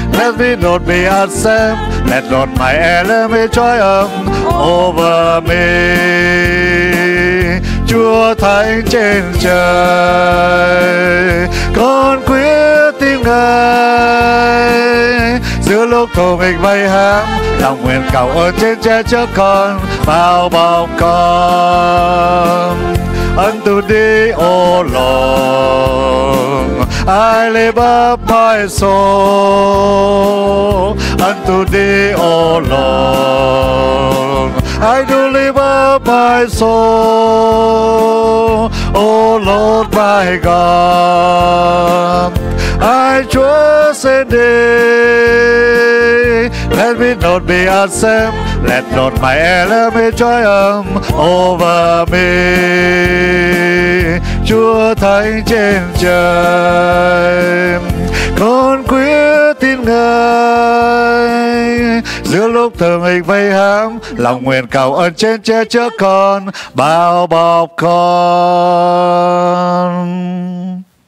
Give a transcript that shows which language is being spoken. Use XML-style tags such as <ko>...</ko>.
<en>Let me not be ashamed, let not my enemy triumph over me.</en> <vi>Chúa Thánh trên trời, con quyết tin Ngài. Giữa lúc thù nghịch vây hãm, lòng nguyện cầu ơn trên che chở con, bao bọc con. Ân từ đi,</vi> <en>O Lord, I lift up my soul. Unto thee, O Lord, I do lift up my soul. O Lord, my God, I trust in thee. Let me not be ashamed, let not my enemy triumph over me.</en> <vi>Chúa Thánh trên trời, con quyết tin Ngài. Giữa lúc thờ nghịch vây hãm, lòng nguyện cầu ơn trên che chở con, bao bọc con.</vi>